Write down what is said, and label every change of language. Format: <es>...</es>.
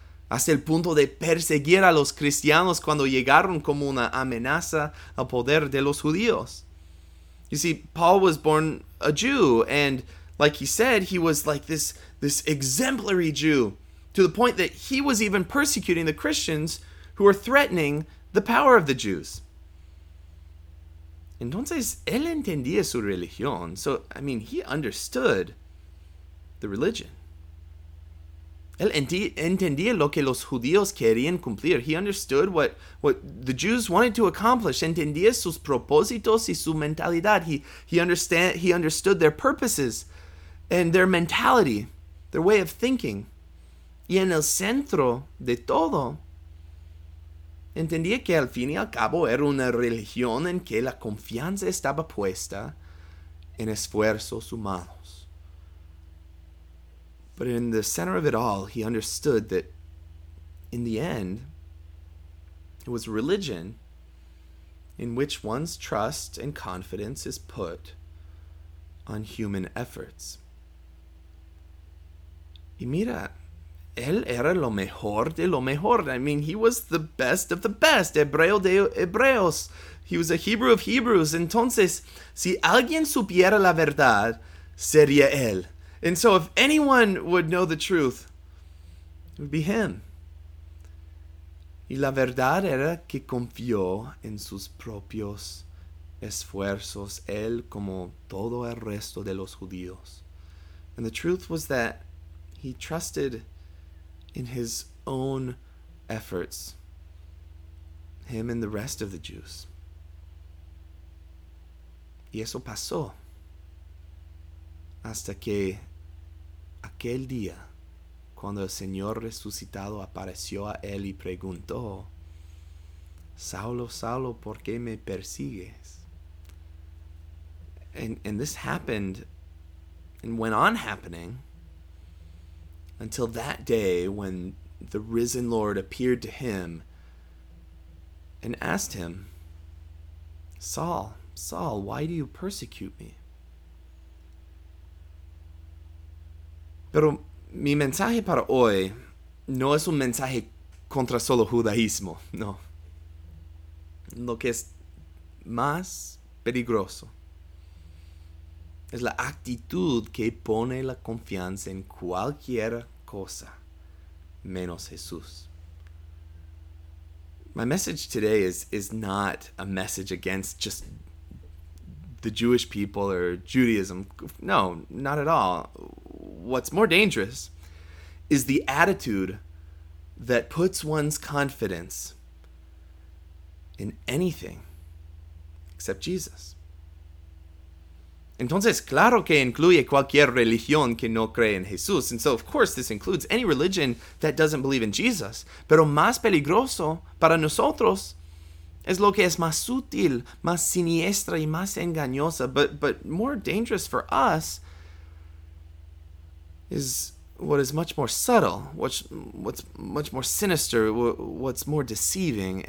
<es>Hasta el punto de perseguir a los cristianos cuando llegaron como una amenaza al poder de los judíos.</es> <en>You see, Paul was born a Jew, and like he said, he was like this exemplary Jew, to the point that he was even persecuting the Christians who were threatening the power of the Jews.</en> <es>Entonces, él entendía su religión.</es> <en>So, I mean, he understood the religion.</en> <es>Él entendía lo que los judíos querían cumplir.</es> <en>He understood what the Jews wanted to accomplish.</en> <es>Entendía sus propósitos y su mentalidad.</es> <en>He understood their purposes and their mentality, their way of thinking.</en> <es>Y en el centro de todo, entendía que al fin y al cabo era una religión en que la confianza estaba puesta en esfuerzos humanos.</es> <en>But in the center of it all, he understood that in the end, it was religion in which one's trust and confidence is put on human efforts.</en> <es>Y mira, él era lo mejor de lo mejor.</es> <en>I mean, he was the best of the best.</en> <es>Hebreo de Hebreos.</es> <en>He was a Hebrew of Hebrews.</en> <es>Entonces, si alguien supiera la verdad, sería él.</es> <en>And so if anyone would know the truth, it would be him.</en> <es>Y la verdad era que confió en sus propios esfuerzos, él como todo el resto de los judíos.</es> <en>And the truth was that he trusted in his own efforts, him and the rest of the Jews.</en> <es>Y eso pasó hasta que aquel día, cuando el Señor resucitado apareció a él y preguntó, Saulo, Saulo, ¿por qué me persigues?</es> <en>And this happened and went on happening until that day when the risen Lord appeared to him and asked him, Saul, Saul, why do you persecute me?</en> <es>Pero mi mensaje para hoy no es un mensaje contra solo judaísmo, no. Lo que es más peligroso es la actitud que pone la confianza en cualquier cosa menos Jesús.</es> <en>My message today is not a message against just the Jewish people or Judaism. No, not at all. What's more dangerous is the attitude that puts one's confidence in anything except Jesus.</en> <es>Entonces, claro que incluye cualquier religión que no cree en Jesús.</es> <en>And so, of course, this includes any religion that doesn't believe in Jesus.</en> <es>Pero más peligroso para nosotros es lo que es más sutil, más siniestra y más engañosa.</es> <en>But more dangerous for us is what is much more subtle, what's much more sinister, what's more deceiving.</en>